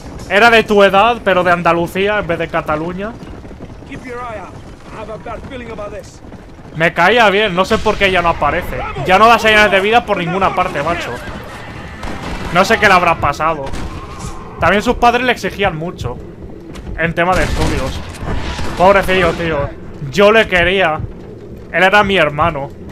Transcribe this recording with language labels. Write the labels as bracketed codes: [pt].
[es] Era de tu edad, pero de Andalucía en vez de Cataluña. [en] Keep your eye out. I have a bad feeling about this. [es] Me caía bien, no sé por qué ya no aparece. Ya no da señales de vida por ninguna parte, macho. No sé qué le habrá pasado. También sus padres le exigían mucho en tema de estudios. Pobrecillo, tío. Yo le quería. Él era mi hermano.